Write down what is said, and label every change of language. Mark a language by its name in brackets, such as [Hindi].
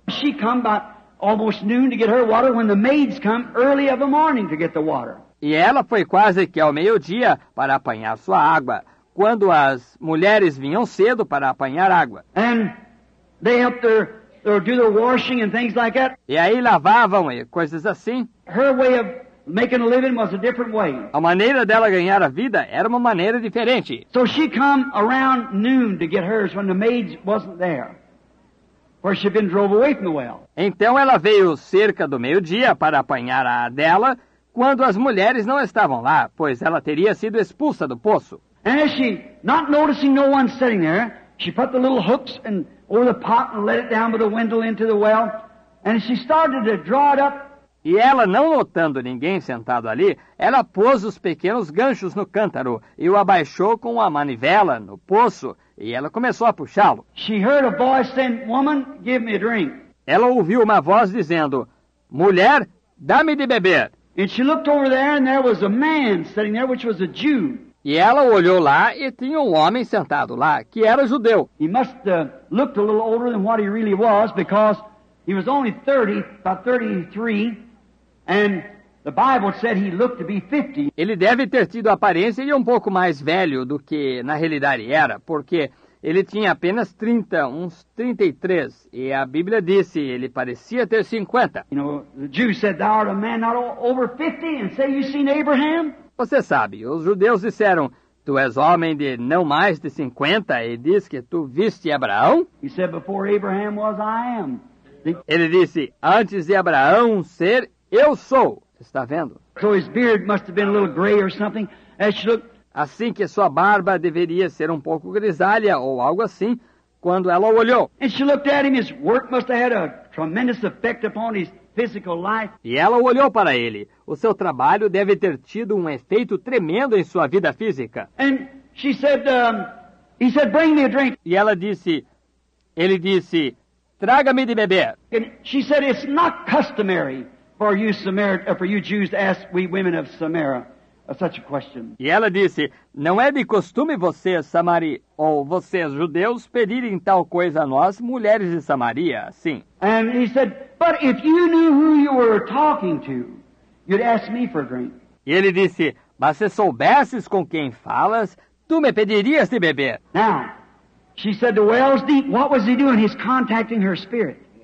[English] She come about almost noon to get her water when the maids come early of the morning to get the water. [Portuguese] E ela foi quase que ao meio-dia para apanhar sua água, quando as mulheres vinham cedo para apanhar água. [English] And they helped her or do their washing and things like that. [Portuguese] E aí lavavam e coisas assim. [English] Her way of making a living was a different way. [Portuguese] A maneira dela ganhar a vida era uma maneira diferente. [English] So she come around noon to get hers when the maids wasn't there. For she'd been drove away from the well. [Portuguese] Então ela veio cerca do meio-dia para apanhar a dela quando as mulheres não estavam lá, pois ela teria sido expulsa do poço. [English] And as she, not noticing no one sitting there, she put the little hooks and over the pot and let it down by the window into the well. And she started to draw it up. [Portuguese] E ela, não notando ninguém sentado ali, ela pôs os pequenos ganchos no cântaro e o abaixou com a manivela no poço e ela começou a puxá-lo. [English] She heard a voice saying, "Woman, give me a drink." [Portuguese] Ela ouviu uma voz dizendo, "Mulher, dá-me de beber." [English] And she looked over there and there was a man sitting there, which was a Jew. [Portuguese] E ela olhou lá e tinha um homem sentado lá, que era judeu. [English] He must have looked a little older than what he really was because he was only 30, about 33, and the Bible said he looked to be 50. [Portuguese] Ele deve ter tido a aparência de um pouco mais velho do que na realidade era, porque ele tinha apenas 30, uns 33, e a Bíblia disse ele parecia ter 50. [English] You know, the Jews said, "Thou art a man not over 50, and say you've seen Abraham?" [Portuguese] Você sabe, os judeus disseram, "Tu és homem de não mais de 50, e diz que tu viste Abraão?" [English] He said, "Before Abraham was, I am." [Portuguese] Ele disse, antes de Abraão ser, eu sou. Está vendo? [English] So his beard must have been a little gray or something. As she looked, [Portuguese] assim que sua barba deveria ser um pouco grisalha ou algo assim, quando ela olhou. [English] And she looked at him, his work must have had a tremendous effect upon his physical life. [Portuguese] E ela olhou para ele. O seu trabalho deve ter tido um efeito tremendo em sua vida física. [English] And she said, he said, "Bring me a drink." [Portuguese] E ela disse, ele disse, traga-me de beber. [English] And she said, it's not customary for you Samaritans, for you Jews to ask we women of Samaria such a question. [Portuguese] E ela disse, não é de costume vocês, Samari, ou vocês judeus, pedirem tal coisa a nós, mulheres de Samaria, sim. [English] And he said, but if you knew who you were talking to, you'd ask me for a drink. [Portuguese] E ele disse, mas se soubesses com quem falas, tu me pedirias de beber. [English] Now, she said, the well's deep. What was he doing? He's contacting her spirit.